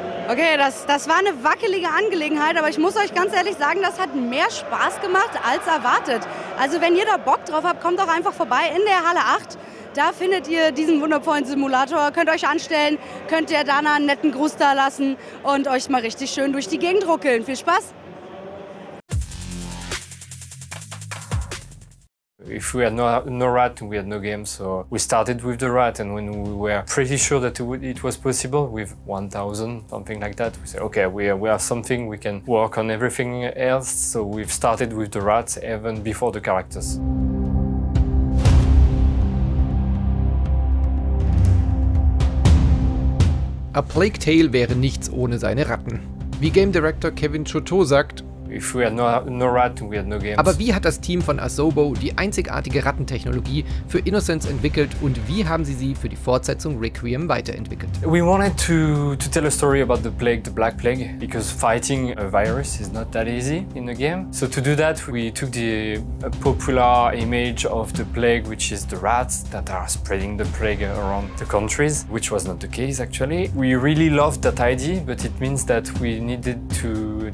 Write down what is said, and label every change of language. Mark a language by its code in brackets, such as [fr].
[de] Okay, das war eine wackelige Angelegenheit, aber ich muss euch ganz ehrlich sagen, das hat mehr Spaß gemacht als erwartet. Also wenn ihr da Bock drauf habt, kommt doch einfach vorbei in der Halle 8. Da findet ihr diesen wundervollen Simulator, könnt euch anstellen, könnt ihr Dana einen netten Gruß da lassen und euch mal richtig schön durch die Gegend ruckeln. Viel Spaß! [en] If we had no rat, we had no game, so we started with the rat, and when we were pretty sure that it was possible with 1,000, something like that, we said, okay, we have something, we can work on everything else, so we've started with the rats even before the characters. [de] A Plague Tale wäre nichts ohne seine Ratten. Wie Game Director Kevin Choteau sagt, [en] if we had no rat, we had no games. [de] Aber wie hat das Team von Asobo die einzigartige Rattentechnologie für Innocence entwickelt und wie haben sie sie für die Fortsetzung Requiem weiterentwickelt? [en] We wanted to tell a story about the plague, the Black Plague, because fighting a virus is not that easy in a game. So to do that, we took the popular image of the plague, which is the rats that are spreading the plague around the countries, which was not the case actually. We really loved that idea, but it means that we needed to